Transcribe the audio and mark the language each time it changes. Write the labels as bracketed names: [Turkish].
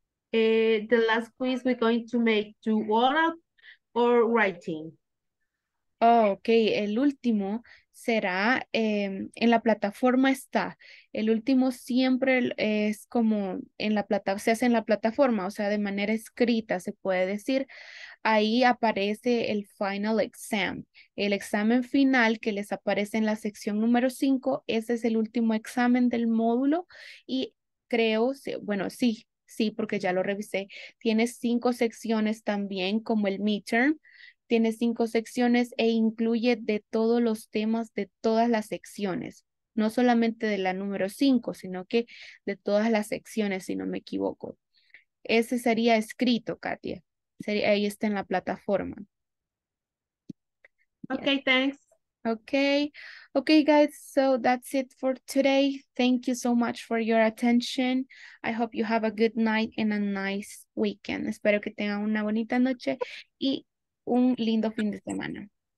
[English] The last quiz we're going to make to oral or writing? [Spanish] Oh, okay, el último será en la plataforma está. El último siempre es como en la plata, se hace en la plataforma, o sea, de manera escrita se puede decir. Ahí aparece el final exam. El examen final que les aparece en la sección número 5, ese es el último examen del módulo y creo, bueno, sí. Sí, porque ya lo revisé. Tiene 5 secciones también, como el midterm. Tiene 5 secciones e incluye de todos los temas de todas las secciones. No solamente de la número 5, sino que de todas las secciones, si no me equivoco. Ese sería escrito, Katia. Sería, ahí está en la plataforma. [English] Ok, yeah. Thanks. Okay. Okay, guys. So that's it for today. Thank you so much for your attention. I hope you have a good night and a nice weekend. [Spanish] Espero que tengan una bonita noche y un lindo fin de semana.